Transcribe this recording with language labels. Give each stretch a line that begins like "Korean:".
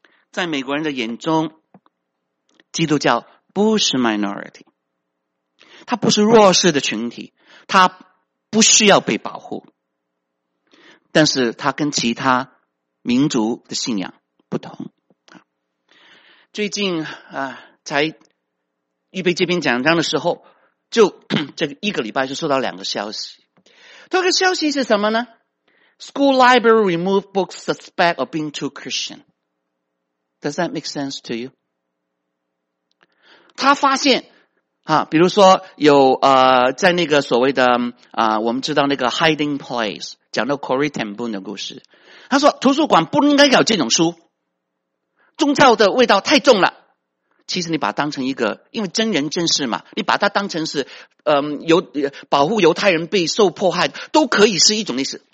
Chinese: 在美国人的眼中，基督教不是 minority， 它不是弱势的群体，它不需要被保护，但是它跟其他民族的信仰不同。最近才预备这篇讲章的时候，就这个一个礼拜就收到两个消息。这个消息是什么呢？
English: School library removed books suspect of being too Christian. Does that make sense to you?
Chinese: 他发现比如说有在那个所谓的我们知道那个 hiding place， 讲到 Corrie ten Boom 的故事。他说图书馆不应该有这种书，宗教的味道太重了。其实你把它当成一个，因为真人真事嘛，你把它当成是保护犹太人被受迫害都可以是一种历史。